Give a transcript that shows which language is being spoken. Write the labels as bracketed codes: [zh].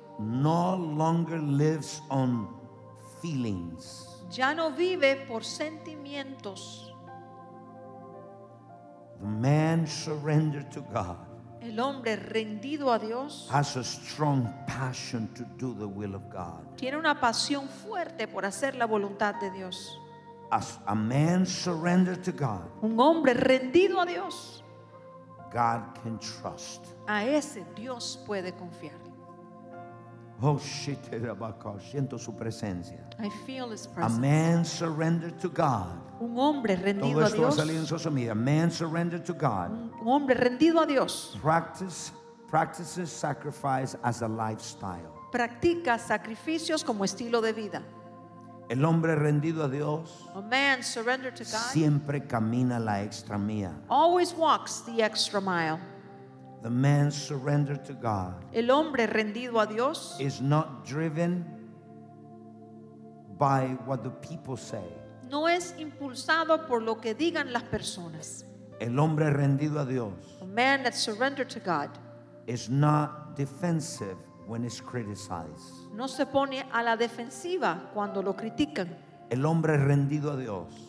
[en] no longer lives on feelings. [es] Ya no vive por sentimientos. [en] The man surrendered to God, [es] el hombre rendido a Dios, [en] has a strong passion to do the will of God. [es] Tiene una pasión fuerte por hacer la voluntad de Dios. [en] As a man surrendered to God, [es] un hombre rendido a Dios, [en] God can trust. [es] A ese Dios puede confiar. [en] Oh, shit, [es] siento su presencia. [en] I feel his presence. A man surrendered to God, [es] un hombre rendido todo esto a Dios, va a salir en [en] social media. Man surrendered to God, [es] un hombre rendido a Dios, [en] practices sacrifice as a lifestyle. [es] Practica sacrificios como estilo de vida. El hombre rendido a Dios, [en] a man surrendered to God, [es] siempre camina la extra mía. [en] Always walks the extra mile. The man surrendered to God, [es] el hombre rendido a Dios, [en] is not driven by what the people say. [es] No es impulsado por lo que digan las personas. El hombre rendido a Dios, [en] a man that surrendered to God, is not defensive when it's criticized. [es] No se pone a la defensiva cuando lo critican. El hombre rendido a Dios.